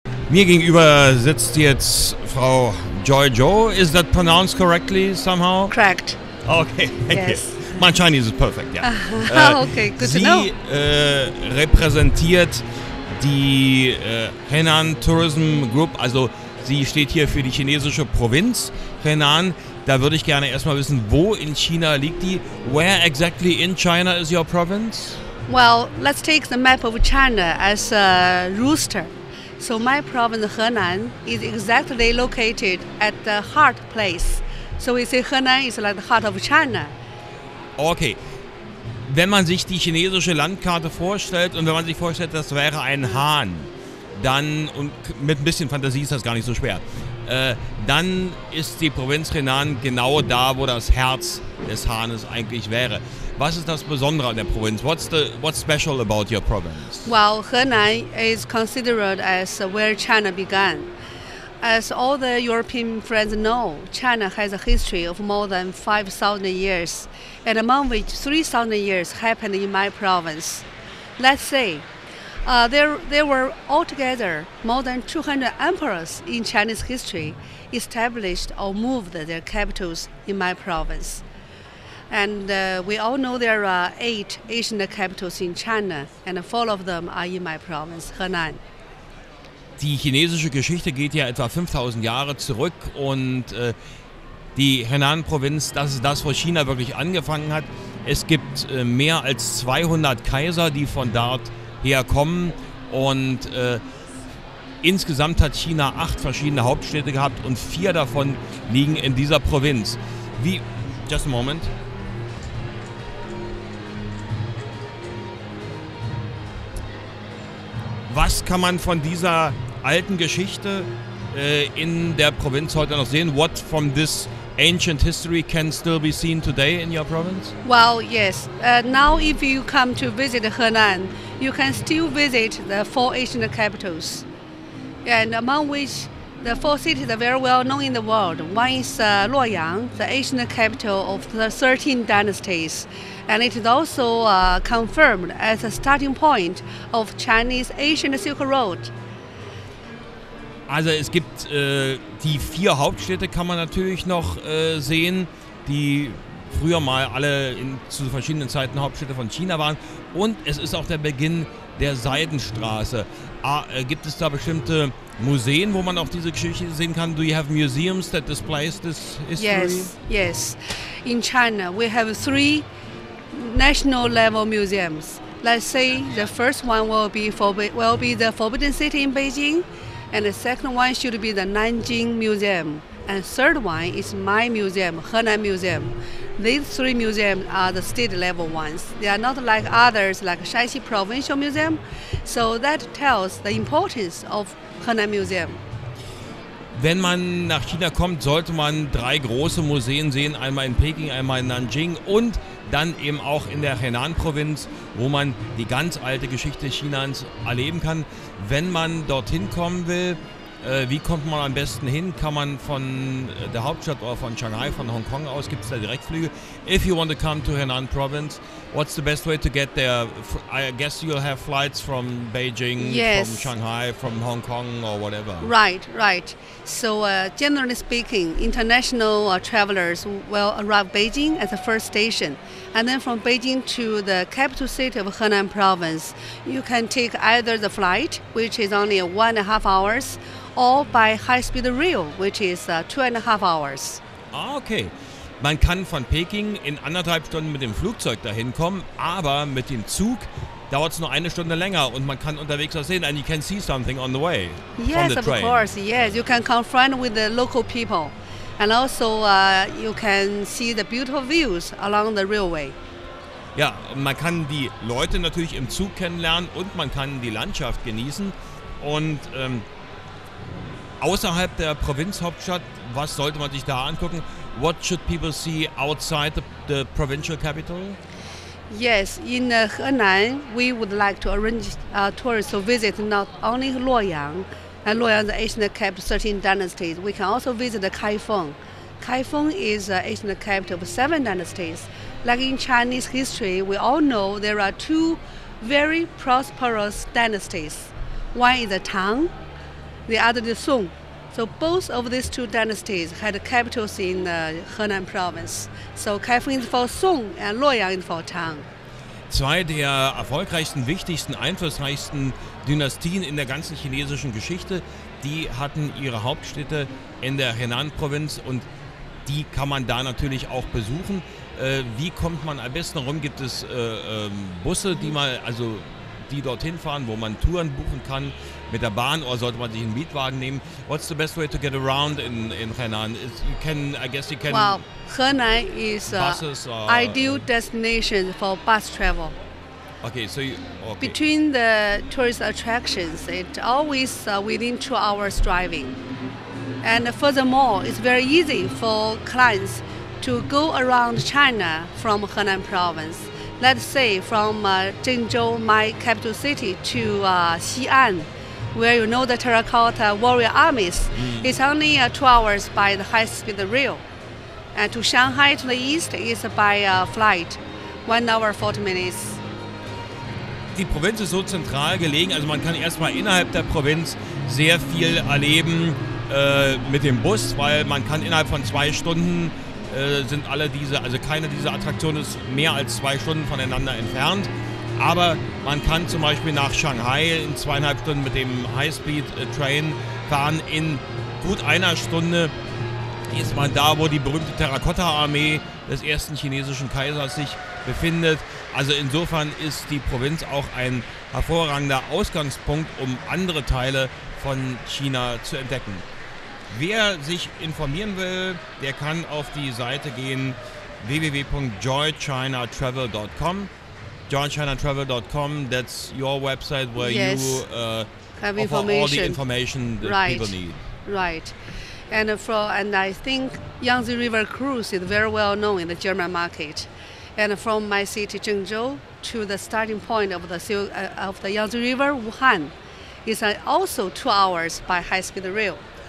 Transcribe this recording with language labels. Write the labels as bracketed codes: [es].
[de] Mir gegenüber sitzt jetzt Frau Joy Joe. [en] Is that pronounced correctly somehow? Correct. Okay, thank yes. you. My Chinese is perfect, yeah. Okay, good [de] Sie, [en] to know. [de] Sie repräsentiert die Henan Tourism Group, also sie steht hier für die chinesische Provinz Henan. Da würde ich gerne erstmal wissen, wo in China liegt die? [en] Where exactly in China is your province? Well, let's take the map of China as a rooster. So my province Henan is exactly located at the heart place. So we say Henan is like the heart of China. Okay. [de] Wenn man sich die chinesische Landkarte vorstellt und wenn man sich vorstellt, das wäre ein Hahn, dann, und mit ein bisschen Fantasie ist das gar nicht so schwer, dann ist die Provinz Henan genau da, wo das Herz des Hahnes eigentlich wäre. Was ist das Besondere an der Provinz? [en] What's special about your province? Well, Henan is considered as where China began. As all the European friends know, China has a history of more than 5,000 years, and among which 3,000 years happened in my province. Let's say, there were altogether more than 200 emperors in Chinese history established or moved their capitals in my province. And we all know there are 8 ancient capitals in China, and 4 of them are in my province, Henan. [de] Die chinesische Geschichte geht ja etwa 5000 Jahre zurück und die Henan-Provinz, das ist das, wo China wirklich angefangen hat. Es gibt mehr als 200 Kaiser, die von dort herkommen und insgesamt hat China 8 verschiedene Hauptstädte gehabt und 4 davon liegen in dieser Provinz. Wie, [en] just a moment. [de] Was kann man von dieser alten Geschichte in der Provinz heute noch sehen? [en] What from this ancient history can still be seen today in your province? Well, yes. Now if you come to visit Henan, you can still visit the 4 ancient capitals. And among which the 4 cities are very well known in the world. One is Luoyang, the ancient capital of the 13 dynasties. And it is also confirmed as a starting point of Chinese ancient Silk Road. [de] Also es gibt die 4 Hauptstädte kann man natürlich noch sehen, die früher mal alle zu verschiedenen Zeiten Hauptstädte von China waren. Und es ist auch der Beginn der Seidenstraße. Gibt es da bestimmte Museen, wo man auch diese Geschichte sehen kann? [en] Do you have museums that display this history? Yes, yes. In China we have 3 national level museums. Let's say the first one will be the Forbidden City in Beijing. And the second one should be the Nanjing Museum. And third one is my museum, Henan Museum. These 3 museums are the state level ones. They are not like others, like Shaanxi Provincial Museum. So that tells the importance of Henan Museum. [de] Wenn man nach China kommt, sollte man 3 große Museen sehen. Einmal in Peking, einmal in Nanjing und dann eben auch in der Henan-Provinz, wo man die ganz alte Geschichte Chinas erleben kann. Wenn man dorthin kommen will, wie kommt man am besten hin? Kann man von der Hauptstadt oder von Shanghai, von Hongkong aus, gibt es da Direktflüge? [en] If you want to come to Henan Province, what's the best way to get there? I guess you'll have flights from Beijing, yes. From Shanghai, from Hong Kong or whatever. Right, right. So generally speaking, international travelers will arrive Beijing at the first station. And then from Beijing to the capital city of Henan Province, you can take either the flight, which is only 1.5 hours, or by high-speed rail, which is 2.5 hours. Okay. [de] Man kann von Peking in 1,5 Stunden mit dem Flugzeug dahin kommen, aber mit dem Zug dauert es nur 1 Stunde länger und man kann unterwegs was sehen. [en] And you can see something on the way. Yes, from the train. Of course. Yes, you can confront with the local people. And also you can see the beautiful views along the railway. [de] Ja, man kann die Leute natürlich im Zug kennenlernen und man kann die Landschaft genießen. Und außerhalb der Provinzhauptstadt, was sollte man sich da angucken? [en] What should people see outside the provincial capital? Yes, in Henan, we would like to arrange tourists to visit not only Luoyang, and Luoyang is the ancient capital of 13 dynasties. We can also visit the Kaifeng. Kaifeng is the ancient capital of 7 dynasties. Like in Chinese history, we all know there are 2 very prosperous dynasties. One is the Tang, the other the Song. So both of these two dynasties had capitals in Henan province. So Kaifeng is for Song and Luoyang is for Tang. [de] Zwei der erfolgreichsten, wichtigsten, einflussreichsten Dynastien in der ganzen chinesischen Geschichte, die hatten ihre Hauptstädte in der Henan-Provinz und die kann man da natürlich auch besuchen. Wie kommt man am besten rum? Gibt es Busse, die dorthin fahren, wo man Touren buchen kann mit der Bahn oder sollte man sich einen Mietwagen nehmen? [en] What's the best way to get around in Henan? Henan is buses, ideal destination for bus travel. Okay. Between the tourist attractions, it's always within 2 hours driving. And furthermore, it's very easy for clients to go around China from Henan province. Let's say from Zhengzhou, my capital city, to Xi'an, where you know the Terracotta Warrior Armies. Mm. It's only 2 hours by the high-speed rail. And to Shanghai to the east is by flight, 1 hour, 40 minutes. [de] Die Provinz ist so zentral gelegen, also man kann erstmal innerhalb der Provinz sehr viel erleben mit dem Bus, weil man kann innerhalb von 2 Stunden sind alle diese, also keine dieser Attraktionen ist mehr als 2 Stunden voneinander entfernt. Aber man kann zum Beispiel nach Shanghai in 2,5 Stunden mit dem Highspeed-Train fahren. In gut einer Stunde ist man da, wo die berühmte Terrakotta-Armee des ersten chinesischen Kaisers sich befindet. Also insofern ist die Provinz auch ein hervorragender Ausgangspunkt, um andere Teile von China zu entdecken. Wer sich informieren will, der kann auf die Seite gehen www.joychinatravel.com. [en] Joychinatravel.com, that's your website where yes. you have offer all the information that right. people need. Right. And I think Yangtze River Cruise is very well known in the German market. And from my city Zhengzhou to the starting point of the Yangtze River, Wuhan, is also 2 hours by high-speed rail.